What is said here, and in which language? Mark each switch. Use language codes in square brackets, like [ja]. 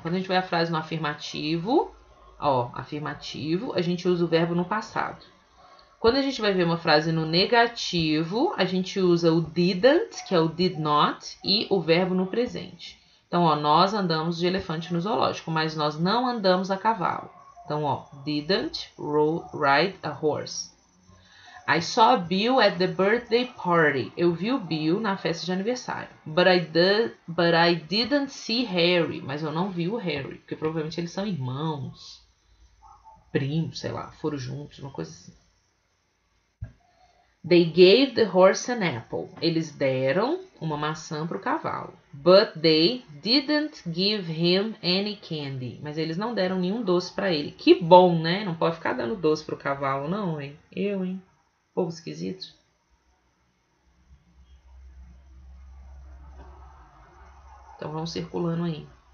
[pt] Quando a gente vê a frase no afirmativo, ó, afirmativo, a gente usa o verbo no passado. Quando a gente vai ver uma frase no negativo, a gente usa o didn't, que é o did not, e o verbo no presente. Então, ó, nós andamos de elefante no zoológico, mas nós não andamos a cavalo. [en] Então, ó, didn't ride a horse. I saw Bill at the birthday party. [pt] Eu vi o Bill na festa de aniversário. [en] But I didn't see Harry. [pt] Mas eu não vi o Harry, porque provavelmente eles são irmãos, primos, sei lá, foram juntos, uma coisa assim. [en] They gave the horse an apple. [pt] Eles deram uma maçã para o cavalo. [en] But they didn't give him any candy. [pt] Mas eles não deram nenhum doce para ele. Que bom, né? Não pode ficar dando doce para o cavalo, não, hein? Eu, hein? Povo esquisito. Então, vamos circulando aí.